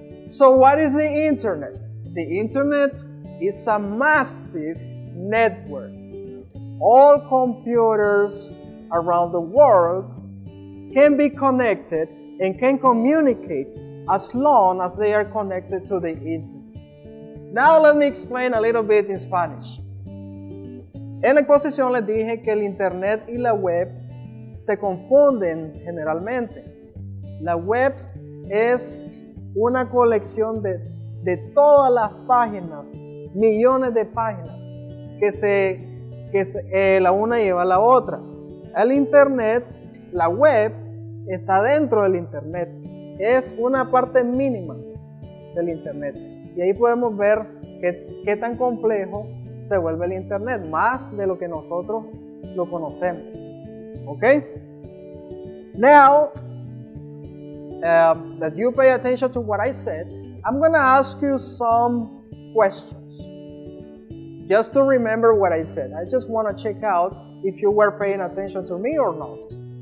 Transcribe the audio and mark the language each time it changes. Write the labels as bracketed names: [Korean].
[English] So what is the internet? The internet is a massive network. All computers around the world can be connected and can communicate as long as they are connected to the internet. Now let me explain a little bit in Spanish. [Spanish] En la exposición les dije que el internet y la web se confunden generalmente. La web es una colección de todas las páginas, millones de páginas, que la una lleva a la otra. El internet, la web, está dentro del internet. Es una parte mínima del internet. Y ahí podemos ver qué tan complejo se vuelve el internet, más de lo que nosotros lo conocemos. ¿Ok? [English] Now, that you pay attention to what I said, I'm going to ask you some questions. Just to remember what I said. I just want to check out if you were paying attention to me or not.